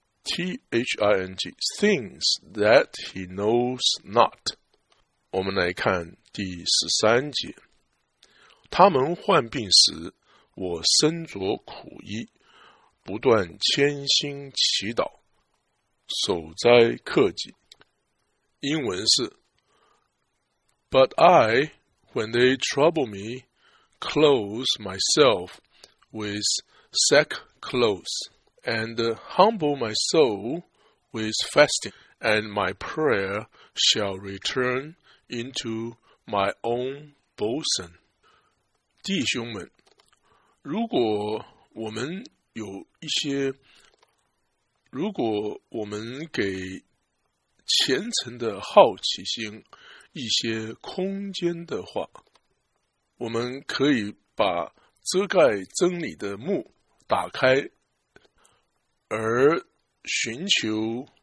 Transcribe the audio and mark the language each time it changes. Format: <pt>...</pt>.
<en>THING things that he knows not。</en> <zh>我们来看第13节。他们患病时，我身着苦衣，不断谦心祈祷，守斋克己。英文是</zh> <en>But I, when they trouble me, clothe myself with sackcloth, and humble my soul with fasting, and my prayer shall return into my own bosom。</en> <zh>弟兄们，如果我们有一些，如果我们给虔诚的好奇心一些空间的话，我们可以把遮盖真理的幕打开，而寻求</zh>